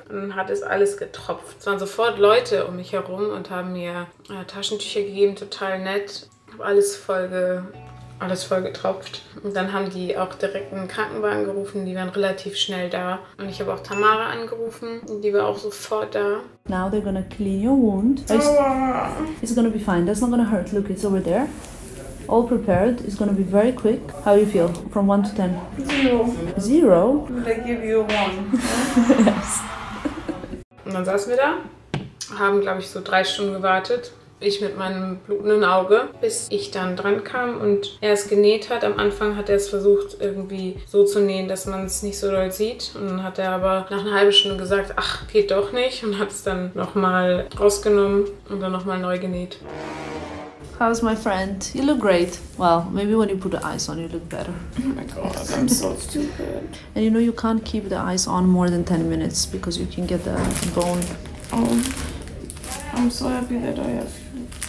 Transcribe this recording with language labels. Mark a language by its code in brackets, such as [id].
[de] Und dann hat es alles getropft. Es waren sofort Leute um mich herum und haben mir Taschentücher gegeben, total nett. Habe alles voll getropft. Und dann haben die auch direkt einen Krankenwagen gerufen, die waren relativ schnell da. Und ich habe auch Tamara angerufen, die war auch sofort da. [en] Now they're gonna clean your wound. It's gonna be fine, that's not gonna hurt, look, it's over there. All prepared, it's gonna be very quick. How do you feel? From 1 to 10? 0. 0? They give you 1. Yes. [de] Und dann saßen wir da, haben glaube ich so 3 Stunden gewartet. Ich mit meinem blutenden Auge, bis ich dann dran kam und er es genäht hat. Am Anfang hat er es versucht irgendwie so zu nähen, dass man es nicht so doll sieht. Und dann hat er aber nach einer halben Stunde gesagt, ach, geht doch nicht. Und hat es dann nochmal rausgenommen und dann nochmal neu genäht. [en] How's my friend? You look great. Well, maybe when you put the eyes on, you look better. Oh my god, I'm so stupid. And you know you can't keep the eyes on more than 10 minutes because you can get the bone. Oh, I'm so happy that I have you.